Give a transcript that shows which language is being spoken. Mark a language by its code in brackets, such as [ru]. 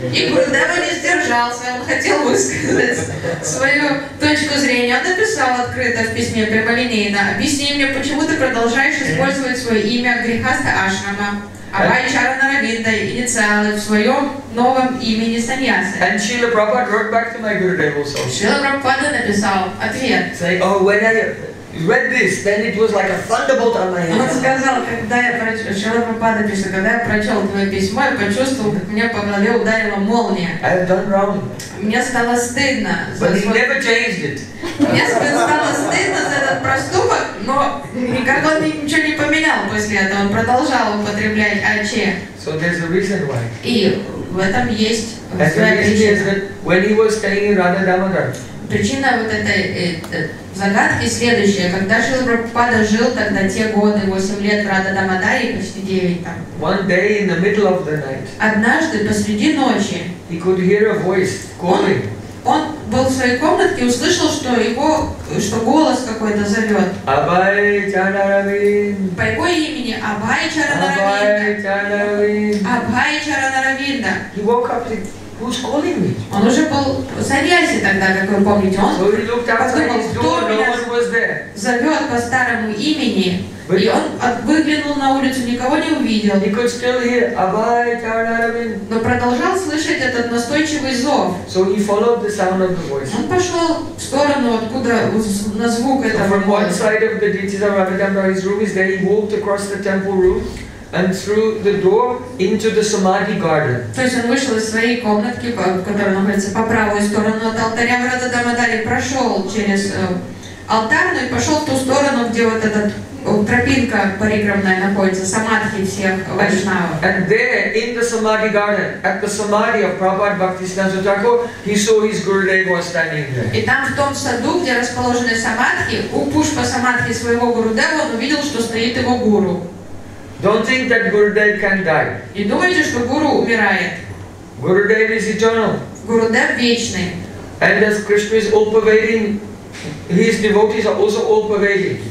[ru] И Гурудева не сдержался, он хотел высказать свою точку зрения. Он написал открыто в письме прямолинейно: объясни мне, почему ты продолжаешь использовать свое имя грихаста ашрама, Абай Чарана Равинда, инициалы в своем новом имени саньясы. [en] And Srila Prabhupada wrote back to my Gurudev also. [ru] Srila Prabhupada написал ответ. [en] Say, oh, when I read this, then it was like a thunderbolt on my head. [ru] Он сказал, когда я прочел, Шрила Прабхупада пишет, когда я прочел твое письмо, я почувствовал, как мне по голове ударила молния. [en] I have done wrong. [ru] Мне стало стыдно. [en] But he never changed it. [ru] Мне стало стыдно за этот проступок, но никак он ничего не поменял после этого. Он продолжал употреблять аче. [en] So there's a reason why. [ru] И в этом есть своя причина. [en] Is that when he was staying in Radha Damodar. [ru] Причина вот этой загадки следующая. Когда Шрила Прабхупада жил тогда те годы, 8 лет в Радха Дамодаре, почти 9 там. [en] One day in the middle of the night. [ru] Однажды посреди ночи. [en] He could hear a voice calling. [ru] Он был в своей комнатке и услышал, что его, что голос какой-то зовет. Абай Чаранаравинд. По его имени Абай Чаранаравинда. Абай Чаранаравинда. [en] He woke up with who's calling me? [ru] Он уже был в саньясе тогда, как вы помните. Он подумал, кто меня зовет по старому имени. И он выглянул на улицу, никого не увидел. [en] He could still hear Abhay Charanaravind. [ru] Но продолжал слышать этот настойчивый зов. [en] So he followed the sound of the voice. [ru] Он пошел в сторону, откуда на звук этого. [en] From one side of the ditches of Radhadamari's room is there, he walked across the temple roof and through the door into the Samadhi garden. [ru] То есть он вышел из своей комнатки, которая находится по правую сторону от алтаря в Радхадамадаре, прошел через алтарную и пошел в ту сторону, где вот этот тропинка парикрамная находится, самадхи всех вайшнава. [en] And there, in the Samadhi garden, at the Samadhi of Prabhupada Bhaktisiddhanta Thakur, he saw his Gurudev was standing there. [ru] И там, в том саду, где расположены самадхи, у пушпа самадхи своего Гурудева, он увидел, что стоит его гуру. [en] Don't think that Gurudev can die. [ru] Не думайте, что гуру умирает. [en] Gurudev is eternal. [ru] Гурудев вечный. [en] And as Krishna is all pervading, his devotees are also all pervading.